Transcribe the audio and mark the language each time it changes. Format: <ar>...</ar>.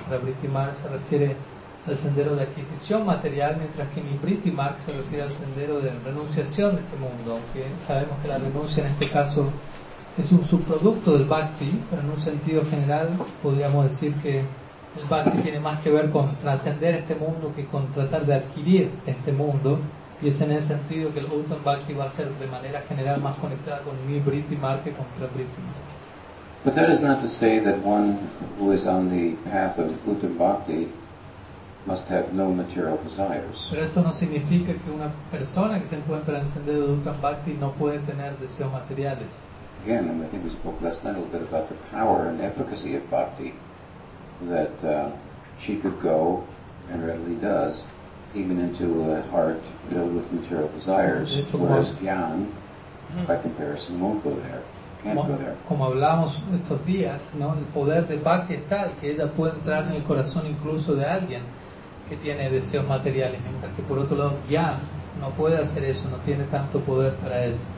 <es>Pravritti Marg se refiere al sendero de adquisición material, mientras que Nivritti Marg se refiere al sendero de renunciación de este mundo, aunque sabemos que la renuncia en este caso es un subproducto del Bhakti, pero en un sentido general podríamos decir que el bhakti tiene más que ver con trascender este mundo que con tratar de adquirir este mundo, y es en ese sentido que el Uttam Bhakti va a ser de manera general más conectada con Nivritti Marg que con Pravritti Marg.</es> <en>But that is not to say that one who is on the path of Uttam Bhakti must have no material desires.</en> <es>Pero esto no significa que una persona que se encuentra en el sendero de Uttam Bhakti no puede tener deseos materiales.</es> <en>Again, and I think we spoke last night a little bit about the power and efficacy of bhakti, that she could go and readily does even into a heart filled with material desires, whereas jnana, by comparison, won't go there, can't go there.</en> <es>Como hablamos estos días, ¿no? El poder de bhakti es tal que ella puede entrar en el corazón incluso de alguien que tiene deseos materiales, mientras que por otro lado jnana no puede hacer eso, no tiene tanto poder para él.</es>